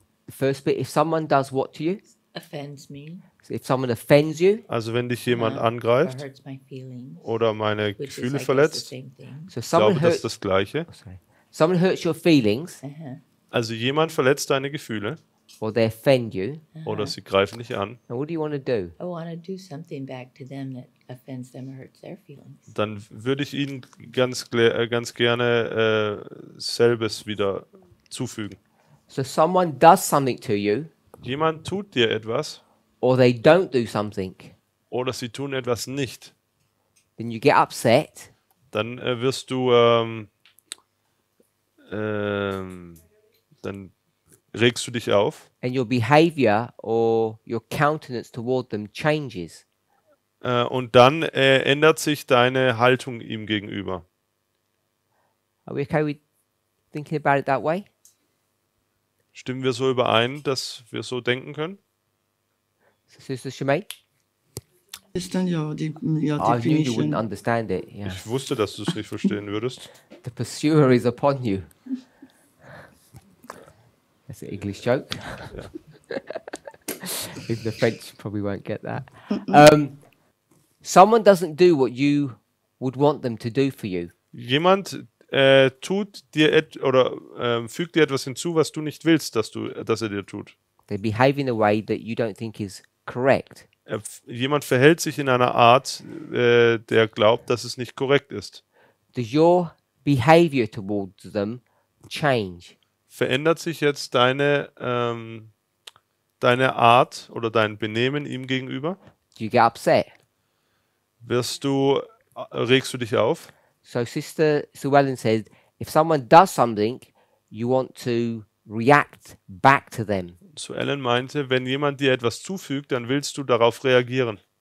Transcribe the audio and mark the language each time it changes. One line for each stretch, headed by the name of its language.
English: First bit, if someone does what to you? Offends me. So if someone offends you?
German: Also wenn dich jemand angreift
English: or hurts my feelings,
German: oder meine Gefühle verletzt,
English: so someone
German: glaube, hurt, das ist das Gleiche.
English: Okay. Someone hurts your feelings.
German: Also jemand verletzt deine Gefühle
English: or they offend you,
German: oder sie greifen dich an.
English: And what do you want to do? I want to do something back to them that offends them or hurts their feelings.
German: Dann würde ich ihnen ganz gerne selbes wieder zufügen.
English: So someone does something to you.
German: Jemand tut dir etwas.
English: Or they don't do something.
German: Oder sie tun etwas nicht.
English: Then you get upset.
German: Dann wirst du dann regst du dich auf.
English: And your behavior or your countenance toward them changes.
German: Und dann ändert sich deine Haltung ihm gegenüber.
English: Are we okay with thinking about it that way?
German: Stimmen wir so überein, dass wir so denken können?
English: Sister Shemaine? Understand your definition. I knew you wouldn't understand it. Yeah.
German: Ich wusste, dass du es nicht verstehen würdest.
English: The pursuer is upon you. That's an English joke. Yeah. Even the French probably won't get that. Someone doesn't do what you would want them to do for you.
German: Jemand tut dir fügt dir etwas hinzu, was du nicht willst, dass er dir tut.
English: They behave in a way that you don't think is correct.
German: Jemand verhält sich in einer Art, der glaubt, dass es nicht korrekt ist.
English: Does your behavior towards them change?
German: Verändert sich jetzt deine Art oder dein Benehmen ihm gegenüber?
English: Do you get upset?
German: Regst du dich auf?
English: So Sister Suellen said, if someone does something, you want to react back to them.
German: So Ellen meinte, wenn jemand dir etwas zufügt, dann willst du darauf reagieren.